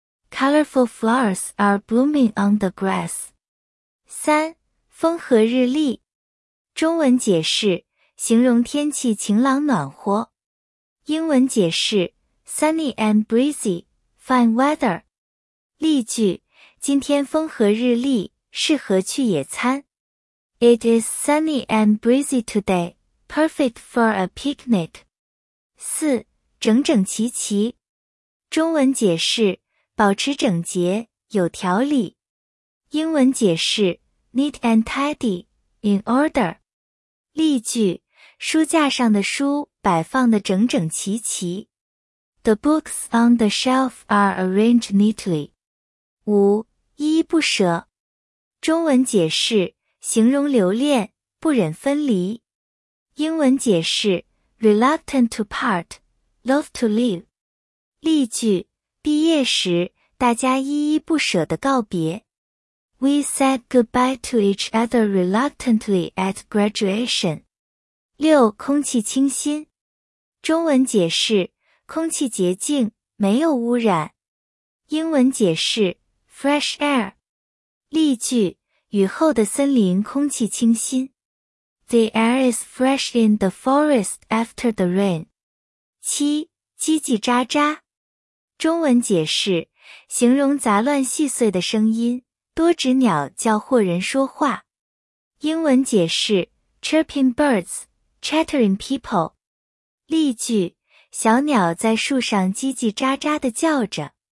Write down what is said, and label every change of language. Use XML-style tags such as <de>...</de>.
<en>Colorful flowers are blooming on the grass.</en> <zh>三、风和日丽。中文解释，形容天气晴朗暖和。英文解释，</zh> <en>sunny and breezy, fine weather.</en> <zh>例句，今天风和日丽，适合去野餐。</zh> <en>It is sunny and breezy today, perfect for a picnic.</en> <zh>四、整整齐齐。中文解释，保持整洁，有条理。英文解释，</zh> <en>neat and tidy, in order.</en> <zh>例句，书架上的书摆放得整整齐齐。</zh> <en>The books on the shelf are arranged neatly.</en> <zh>五、依依不舍。中文解释，形容留恋，不忍分离。英文解释，</zh> <en>reluctant to part, loath to leave.</en> <zh>例句，毕业时大家依依不舍地告别。</zh> <en>We said goodbye to each other reluctantly at graduation.</en> <zh>六、空气清新。中文解释，空气洁净，没有污染。英文解释，</zh> <en>fresh air.</en> <zh>例句，雨后的森林空气清新。</zh> <en>The air is fresh in the forest after the rain.</en> <zh>七、叽叽喳喳。中文解释，形容杂乱细碎的声音，多指鸟叫或人说话。英文解释，</zh> <en>chirping birds, chattering people.</en> <zh>例句，小鸟在树上叽叽喳喳地叫着。</zh>